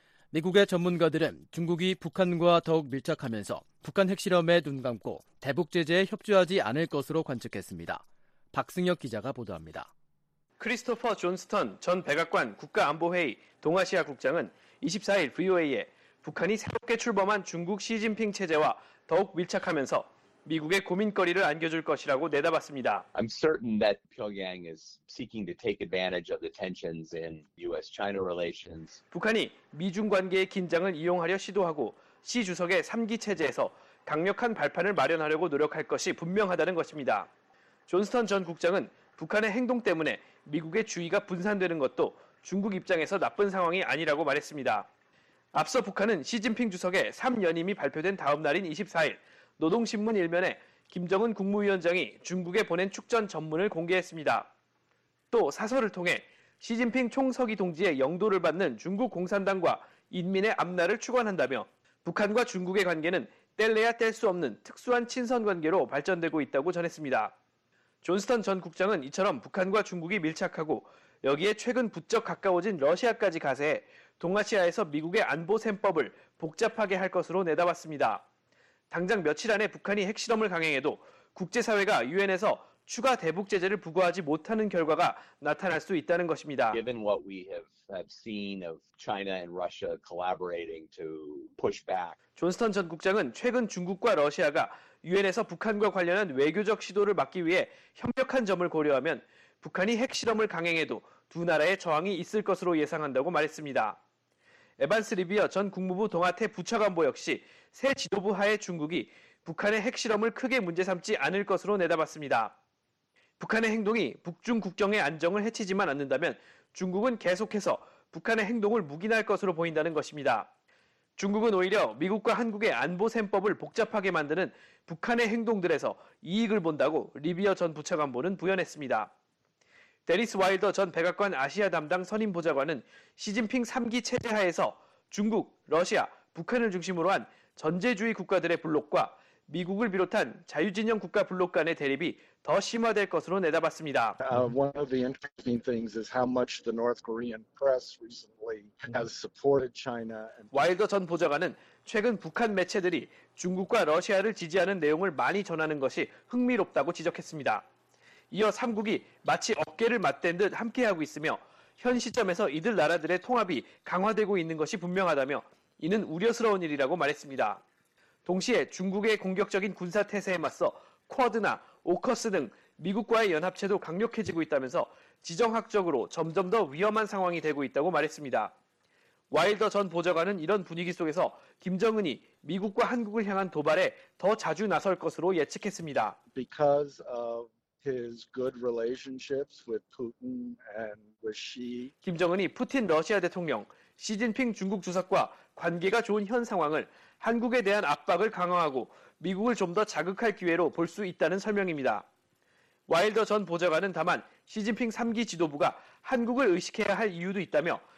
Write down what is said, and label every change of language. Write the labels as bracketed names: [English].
[Korean] 미국의 전문가들은 중국이 북한과 더욱 밀착하면서 북한 핵실험에 눈 감고 대북 제재에 협조하지 않을 것으로 관측했습니다. 박승혁 기자가 보도합니다. 크리스토퍼 존스턴 전 백악관 국가안보회의 동아시아 국장은 24일 VOA에 북한이 새롭게 출범한 중국 시진핑 체제와 더욱 밀착하면서 미국의 고민거리를 안겨줄 것이라고 내다봤습니다. [English] I'm certain that Pyongyang is seeking to take advantage of the tensions in U.S.-China relations. [Korean] 북한이 미중 관계의 긴장을 이용하려 시도하고 시 주석의 3기 체제에서 강력한 발판을 마련하려고 노력할 것이 분명하다는 것입니다. 존스턴 전 국장은 북한의 행동 때문에 미국의 주의가 분산되는 것도 중국 입장에서 나쁜 상황이 아니라고 말했습니다. 앞서 북한은 시진핑 주석의 3연임이 발표된 다음 날인 24일 노동신문 1면에 김정은 국무위원장이 중국에 보낸 축전 전문을 공개했습니다. 또 사설을 통해 시진핑 총서기 동지의 영도를 받는 중국 공산당과 인민의 앞날을 축원한다며 북한과 중국의 관계는 뗄래야 뗄 수 없는 특수한 친선 관계로 발전되고 있다고 전했습니다. 존스턴 전 국장은 이처럼 북한과 중국이 밀착하고 여기에 최근 부쩍 가까워진 러시아까지 가세해 동아시아에서 미국의 안보 셈법을 복잡하게 할 것으로 내다봤습니다. 당장 며칠 안에 북한이 핵실험을 강행해도 국제사회가 UN에서 추가 대북 제재를 부과하지 못하는 결과가 나타날 수 있다는 것입니다. [English] Given what we have seen of China and Russia collaborating to push back. [Korean] 존스턴 전 국장은 최근 중국과 러시아가 UN에서 북한과 관련한 외교적 시도를 막기 위해 협력한 점을 고려하면 북한이 핵실험을 강행해도 두 나라의 저항이 있을 것으로 예상한다고 말했습니다. 에반스 리비어 전 국무부 동아태 부차관보 역시 새 지도부 하에 중국이 북한의 핵실험을 크게 문제 삼지 않을 것으로 내다봤습니다. 북한의 행동이 북중 국경의 안정을 해치지만 않는다면 중국은 계속해서 북한의 행동을 묵인할 것으로 보인다는 것입니다. 중국은 오히려 미국과 한국의 안보 셈법을 복잡하게 만드는 북한의 행동들에서 이익을 본다고 리비어 전 부차관보는 부연했습니다. 데니스 와일더 전 백악관 아시아 담당 선임 보좌관은 시진핑 3기 체제 하에서 중국, 러시아, 북한을 중심으로 한 전제주의 국가들의 블록과 미국을 비롯한 자유진영 국가 블록 간의 대립이 더 심화될 것으로 내다봤습니다. [English] One of the interesting things is how much the North Korean press recently has supported China. [Korean] 와일더 전 보좌관은 최근 북한 매체들이 중국과 러시아를 지지하는 내용을 많이 전하는 것이 흥미롭다고 지적했습니다. 이어 3국이 마치 어깨를 맞댄 듯 함께하고 있으며 현 시점에서 이들 나라들의 통합이 강화되고 있는 것이 분명하다며 이는 우려스러운 일이라고 말했습니다. 동시에 중국의 공격적인 군사 태세에 맞서 쿼드나 오커스 등 미국과의 연합체도 강력해지고 있다면서 지정학적으로 점점 더 위험한 상황이 되고 있다고 말했습니다. 와일더 전 보좌관은 이런 분위기 속에서 김정은이 미국과 한국을 향한 도발에 더 자주 나설 것으로 예측했습니다. [English] Because of his good relationships with Putin and with Xi. [Korean] 김정은이 푸틴 러시아 대통령, 시진핑 중국 주석과 관계가 좋은 현 상황을 한국에 대한 압박을 강화하고 미국을 좀 더 자극할 기회로 볼 수 있다는 설명입니다. 와일더 전 보좌관은 다만 시진핑 3기 지도부가 한국을 의식해야 할 이유도 있다며